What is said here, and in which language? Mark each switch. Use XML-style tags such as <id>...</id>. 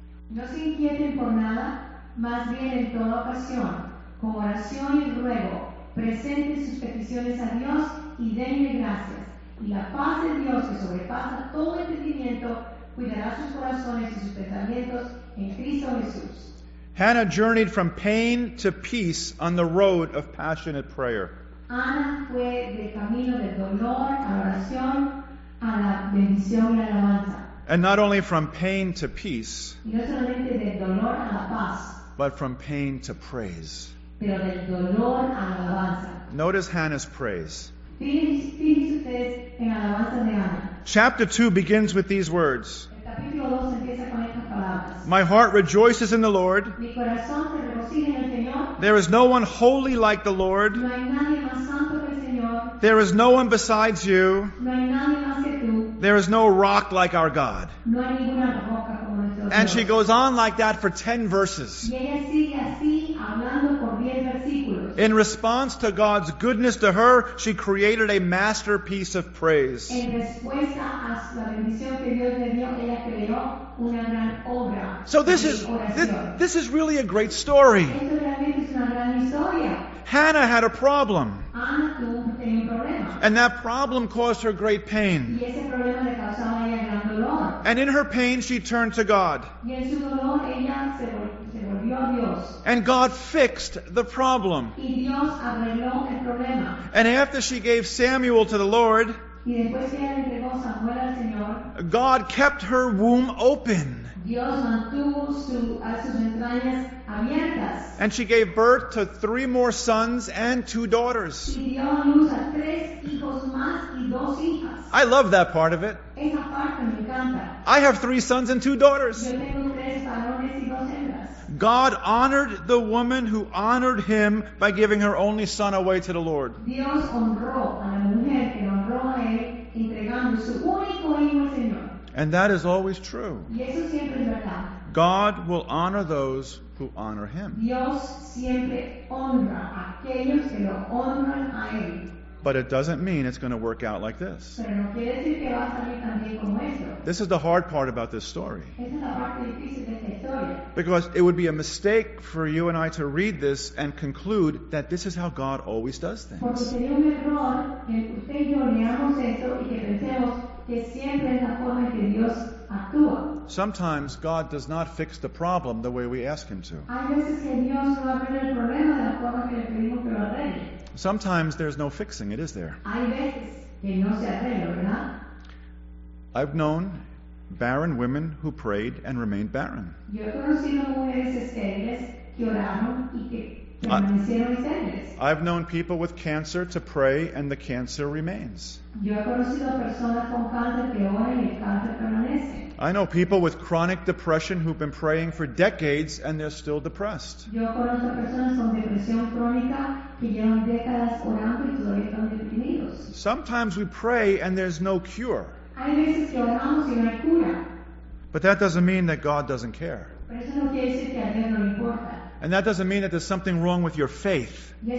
<es>No se inquieten por nada, más bien en toda ocasión, con oración y ruego, presenten sus peticiones a Dios y denle gracias. Y la paz de Dios, que sobrepasa todo entendimiento, cuidará sus corazones y sus pensamientos en Cristo Jesús.</es> <en>Hannah journeyed from pain to peace on the road of passionate prayer.</en> <es>Ana fue del camino del dolor a oración, a la bendición y a la alabanza.</es> <en>And not only from pain to peace,</en> <es>no solamente del dolor a la paz,</es> <en>but from pain to praise.</en> <es>Pero del dolor a la alabanza.</es> <en>Notice Hannah's praise.</en> <es>Fíjense ustedes en la alabanza de Ana.</es> <en>Chapter 2 begins with these words.</en> <es>El capítulo 2 empieza con estas palabras.</es> <en>My heart rejoices in the Lord.</en> <es>Mi corazón se regocija en el Señor.</es> <en>There is no one holy like the Lord.</en> <es>No hay nadie más santo que el Señor.</es> <en>There is no one besides you.</en> <es>No hay nadie más que tú.</es> <en>There is no rock like our God.</en> <es>No hay ninguna roca como nuestro Dios.</es> <en>And she goes on like that for 10 verses.</en> <es>Y ella sigue así, hablando por 10 versículos.</es> <en>In response to God's goodness to her, she created a masterpiece of praise.</en> <es>En respuesta a la bendición que Dios le dio, ella creó una gran obra.</es> <en>So this is really a great story.</en> <es>Esto realmente es una gran historia.</es> <en>Hannah had a problem.</en> <es>Ana tuvo un problema.</es> <en>And that problem caused her great pain.</en> <es>Y ese problema le causaba a ella gran dolor.</es> <en>And in her pain, she turned to God.</en> <es>Y en su dolor, ella se volvió a Dios.</es> <en>And God fixed the problem.</en> <es>Y Dios arregló el problema.</es> <en>And after she gave Samuel to the Lord,</en> <es>Y después que ella entregó Samuel al Señor,</es> <en>God kept her womb open.</en> <es>Dios mantuvo sus entrañas abiertas.</es> <en>And she gave birth to 3 more sons and 2 daughters.</en> <es>Y dio a luz a 3 hijos más y 2 hijas.</es> <en>I love that part of it.</en> <es>Esa parte me encanta.</es> <en>I have 3 sons and 2 daughters.</en> <es>Yo tengo 3 varones y 2 hembras.</es> <en>God honored the woman who honored him by giving her only son away to the Lord.</en> <es>Dios honró a la mujer que honró a él entregando su único hijo al Señor.</es> <en>And that is always true.</en> <es>Y eso siempre es verdad.</es> <en>God will honor those who honor him.</en> <es>Dios siempre honra a aquellos que lo honran a él.</es> <en>But it doesn't mean it's going to work out like this.</en> <es>Pero no quiere decir que va a salir tan bien como esto.</es> <en>This is the hard part about this story.</en> <es>Esa es la parte difícil de esta historia.</es> <en>Because it would be a mistake for you and I to read this and conclude that this is how God always does things.</en> <es>Porque sería un error que usted y yo leamos esto y que pensemos que siempre es la forma en que Dios actúa.</es> <en>Sometimes God does not fix the problem the way we ask Him to.</en> <es>Hay veces que Dios no arregla el problema de la forma que le pedimos que lo arregle.</es> <en>Sometimes there's no fixing it, is there?</en> <es>Hay veces que no se arregla, ¿verdad?</es> <en>I've known barren women who prayed and remained barren.</en> <es>Yo he conocido mujeres estériles que oraron y que permanecieron estériles.</es> <en>I've known people with cancer to pray and the cancer remains.</en> <es>Yo he conocido personas con cáncer que oran y el cáncer permanece.</es> <en>I know people with chronic depression who've been praying for decades and they're still depressed.</en> <es>Yo conozco personas con depresión crónica que llevan décadas orando y todavía están deprimidos.</es> <en>Sometimes we pray and there's no cure.</en> <es>Hay veces que oramos y no hay cura.</es> <en>But that doesn't mean that God doesn't care.</en> <es>Pero eso no quiere decir que a Dios no le importa.</es> <en>And that doesn't mean that there's something wrong with your faith.</en>